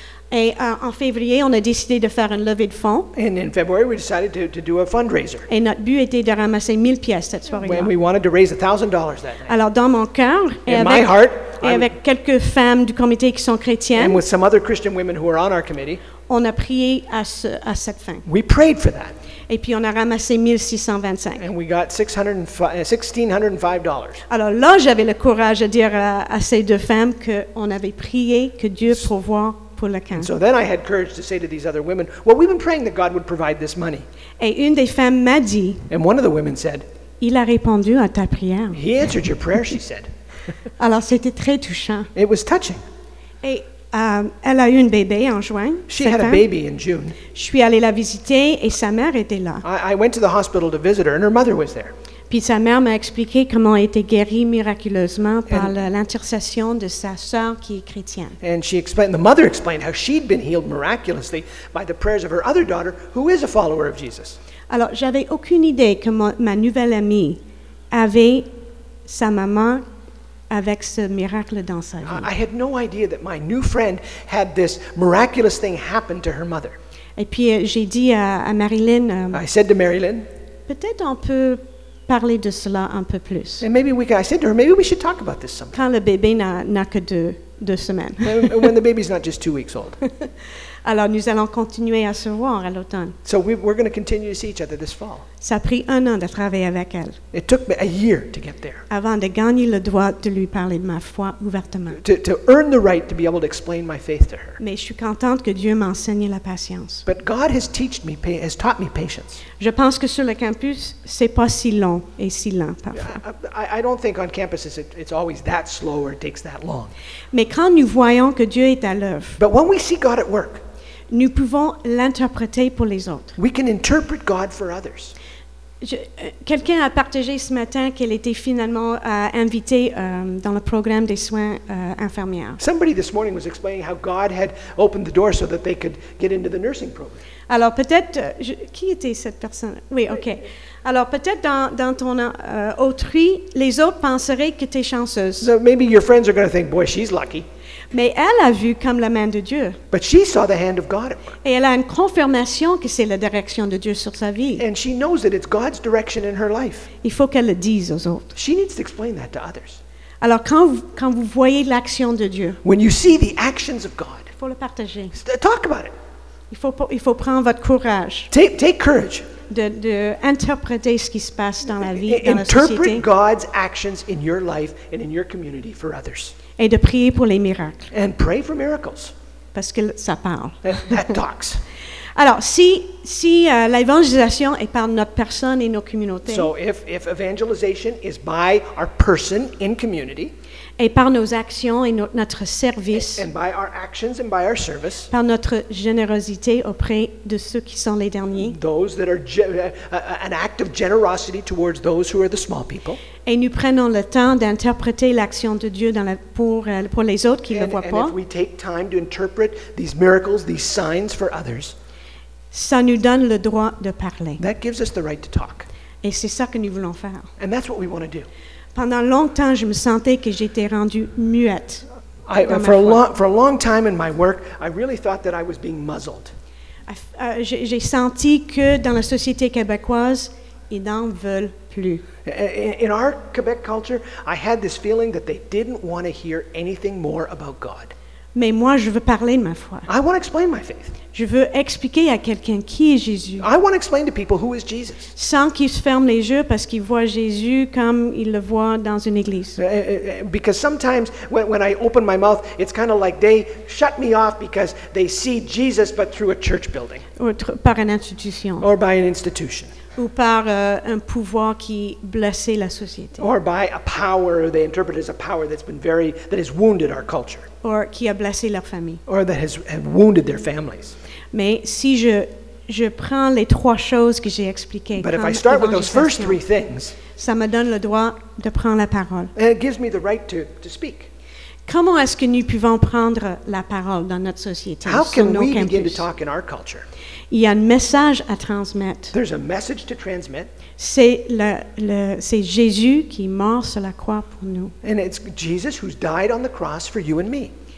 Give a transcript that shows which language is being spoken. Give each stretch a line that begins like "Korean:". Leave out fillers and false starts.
French: Et en février, on a décidé de faire une levée de fonds.
English: And in February, we decided to do a fundraiser.
French: Et notre but était de ramasser 1000 pièces cette soirée-là.
English: And we wanted to raise $1,000 that night.
French: Alors dans mon cœur, avec quelques femmes du comité qui sont chrétiennes,
English: and with some other Christian women who are on our committee,
French: on a prié à cette fin.
English: We prayed for that.
French: Et puis on a ramassé 1625.
English: And we got $1,605.
French: Alors là, j'avais le courage de dire à ces deux femmes qu'on avait prié que Dieu pourvoie.
English: And so then I had courage to say to these other women, well, we've been praying that God would provide this money.
French: Et une des femmes m'a dit,
English: and one of the women said,
French: il a répondu à ta prière.
English: He answered your prayer, she said.
French: Alors c'était très touchant.
English: It was touching.
French: Et elle a eu une bébé en juin.
English: She had a baby in June.
French: Je suis allée la visiter et sa mère était là.
English: I went to the hospital to visit her and her mother was there.
French: Puis sa mère m'a expliqué comment elle était guérie miraculeusement par l'intercession de sa sœur qui est chrétienne.
English: And the mother explained how she'd been healed miraculously by the prayers of her other daughter, who is a follower of Jesus.
French: Alors, j'avais aucune idée que ma nouvelle amie avait sa maman avec ce miracle dans sa vie.
English: I had no idea that my new friend had this miraculous thing happen to her mother.
French: Et puis j'ai dit à Marilyn.
English: I said to Marilyn.
French: Peut-être on peut parler de cela un peu plus.
English: And maybe we can, I said to her, maybe we should talk about this sometime.
French: Quand le bébé n'a que deux semaines.
English: When the baby's not just 2 weeks old.
French: Alors nous allons continuer à se voir à l'automne.
English: So we're going to continue to see each other this fall.
French: Ça a pris un an de travailler avec elle.
English: It took me a year to get there.
French: Avant de gagner le droit de lui parler de ma foi ouvertement.
English: To earn the right to be able to explain my faith to her.
French: Mais je suis contente que Dieu m'enseigne la patience.
English: But God has taught me patience.
French: Je pense que sur le campus, c'est pas si long et si lent parfois.
English: I don't think on campuses it's always that slow or it takes that long.
French: Mais quand nous voyons que Dieu est à l'œuvre.
English: But when we see God at work.
French: Nous pouvons l'interpréter pour les autres.
English: We can interpret God for others.
French: Quelqu'un a partagé ce matin qu'elle était finalement invitée dans le programme des soins infirmières.
English: Somebody this morning was explaining how God had opened the door so that they could get into the nursing program.
French: Alors peut-être qui était cette personne? Oui, OK. Alors peut-être dans ton autrui, les autres penseraient que tu es chanceuse.
English: So maybe your friends are going to think, boy, she's lucky.
French: Mais elle a vu comme la main de Dieu.
English: But she saw the hand of God at work.
French: Et elle a une confirmation que c'est la direction de Dieu sur sa vie.
English: And she knows that it's God's direction in her life.
French: Il faut qu'elle le dise aux autres.
English: She needs to explain that to others.
French: Alors quand vous voyez l'action de Dieu.
English: When you see the actions of God.
French: Il faut le partager.
English: Talk about it.
French: Il faut prendre votre courage.
English: Take courage.
French: d'interpréter ce qui se passe dans la vie,
English: interpret
French: dans la société.
English: God's actions in your life and in your community for others.
French: Et de prier pour les miracles.
English: And pray for miracles.
French: Parce que ça parle.
English: That talks.
French: Alors, si l'évangélisation est par notre personne et nos communautés.
English: So if evangelization is by our person in community.
French: Et par nos actions et notre service.
English: And by our actions and by our service.
French: Par notre générosité auprès de ceux qui sont les derniers.
English: Those that are an act of generosity towards those who are the small people.
French: Et nous prenons le temps d'interpréter l'action de Dieu dans pour les autres qui ne le voient pas.
English: And if we take time to interpret these miracles, these signs for others.
French: Ça nous donne le droit de parler.
English: That gives us the right to talk.
French: Et c'est ça que nous voulons faire.
English: And that's what we want to do.
French: Pendant longtemps, je me sentais que j'étais rendue muette.
English: For a long time in my work, I really thought that I was being muzzled.
French: J'ai senti que dans la société québécoise, ils n'en veulent plus.
English: In our Quebec culture, I had this feeling that they didn't want to hear anything more about God.
French: Mais moi, je veux parler de ma foi.
English: I want to explain my faith.
French: Je veux expliquer à quelqu'un qui est Jésus.
English: I want to explain to people who is Jesus.
French: Sans qu'ils se ferment les yeux parce qu'ils voient Jésus comme ils le voient dans une église.
English: Because sometimes when I open my mouth, it's kind of like they shut me off because they see Jesus but through a church building.
French: Par une institution.
English: Or by an institution.
French: Ou par un pouvoir qui blessait la société.
English: Or by a power they interpret as a power that has wounded our culture.
French: Or qui a blessé leur famille.
English: Or that has wounded their families.
French: Mais si je prends les trois choses que j'ai expliquées.
English: But if I start with those first three things.
French: Ça me donne le droit de prendre la parole.
English: And it gives me the right to speak.
French: Comment est-ce que nous pouvons prendre la parole dans notre société?
English: How can we begin to talk in our culture?
French: Il y a un message à transmettre.
English: There's a message to transmit.
French: C'est Jésus qui est mort sur la croix pour nous.
English: And it's Jesus who's died on the cross for you and me.